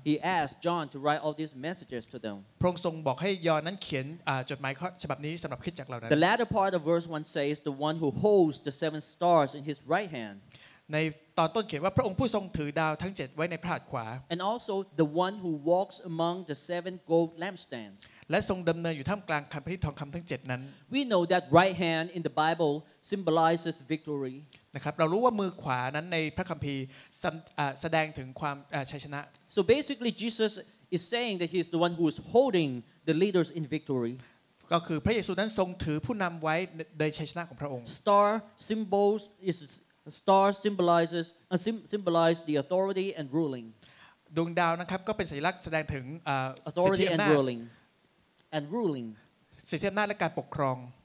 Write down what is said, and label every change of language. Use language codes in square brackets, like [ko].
[en] He asked John to write all these messages to them. [th] พระองค์ทรงบอกให้ยอห์นนั้นเขียนจดหมายฉบับนี้สำหรับคริสตจักรเหล่านั้น [en] The latter part of verse 1 says the one who holds the seven stars in his right hand. [th] ในตอนต้นเขียนว่าพระองค์ผู้ทรงถือดาวทั้ง7ไว้ในพระหัตถ์ขวา [en] And also the one who walks among the seven gold lampstands. [th] และทรงดำเนินอยู่ท่ามกลางคันพระที่ทองคำทั้ง7นั้น [en] We know that right hand in the Bible symbolizes victory. [th] นะครับเรารู้ว่ามือขวานั้นในพระคัมภีร์แสดงถึงความชัยชนะ [en] So basically Jesus is saying that he's the one who's holding the leaders in victory [th] ก็คือพระเยซูนั้นทรงถือผู้นำไว้ในชัยชนะของพระองค์ [en] Star symbols is star symbolizes symbolize the authority and ruling [th] ดวงดาวนะครับก็เป็นสัญลักษณ์แสดงถึง [en] authority and ruling and ruling [th] สิทธิอำนาจและการปกครอง